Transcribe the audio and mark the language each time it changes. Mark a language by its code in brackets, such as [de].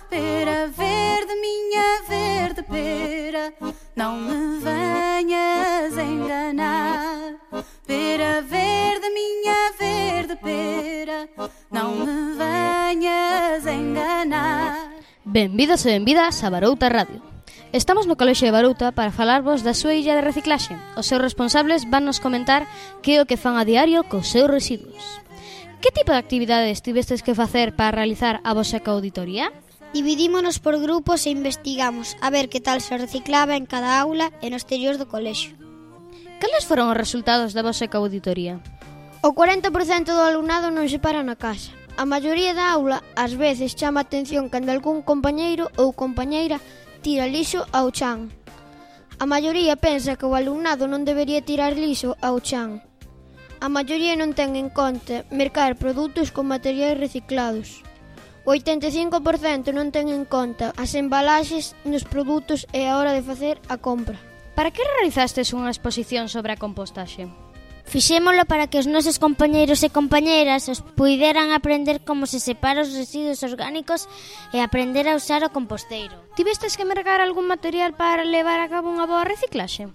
[pt] Pera verde, minha verde pera, não me venhas enganar. Pera verde, minha verde pera, não me venhas enganar. [gl] Benvidos e benvidas a Barouta Radio. Estamos no Colexio de Barouta para falarvos da súa illa de reciclaxe. Os seus responsables van nos comentar que é o que fan a diario cos seus residuos. Que tipo de actividades tivestes que facer para realizar a vosa coauditoría? Dividímonos por grupos e investigamos a ver que tal se reciclaba en cada aula e no exterior do colexio. Cales foron os resultados da vosa coauditoría? O 40% do alumnado non se para na casa. A maioría da aula, ás veces, chama a atención cando algún compañeiro ou compañeira tira lixo ao chan. A maioría pensa que o alumnado non debería tirar lixo ao chan. A maioría non ten en conta mercar produtos con materiais reciclados. O 85% non ten en conta as embalaxes nos produtos e a hora de facer a compra. Para que realizastes unha exposición sobre a compostaxe? Fixémolo para que os nosos compañeiros e compañeiras os puderan aprender como se separa os residuos orgánicos e aprender a usar o composteiro. Tivestes que mercar algún material para levar a cabo unha boa reciclaxe?